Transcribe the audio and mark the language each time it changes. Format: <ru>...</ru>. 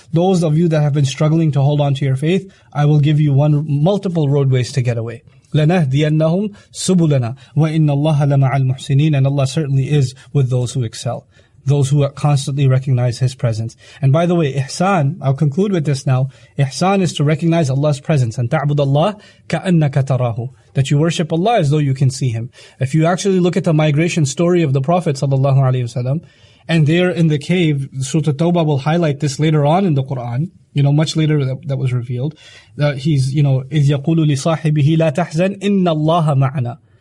<en>Those of you that have been struggling to hold on to your faith, I will give you multiple roadways to get away.</en> <ar>لَنَهْدِيَنَّهُمْ سُبُلَنَا وَإِنَّ اللَّهَ لَمَعَ الْمُحْسِنِينَ.</ar> <en>And Allah certainly is with those who excel, those who constantly recognize His presence. And by the way, ihsan, I'll conclude with this now. Ihsan is to recognize Allah's presence.</en> <ar>And تَعْبُدَ اللَّهِ كَأَنَّكَ تَرَاهُ.</ar> <en>That you worship Allah as though you can see Him. If you actually look at the migration story of the Prophet sallallahu alaihi wasallam, and they're in the cave, Surah At-Tawbah will highlight this later on in the Quran, you know, much later that was revealed, that he's, you know,</en> <ar>إِذْ يَقُولُ لِصَاحِبِهِ لَا تَحْزَنْ إِنَّ اللَّهَ مَعْنَا.</ar>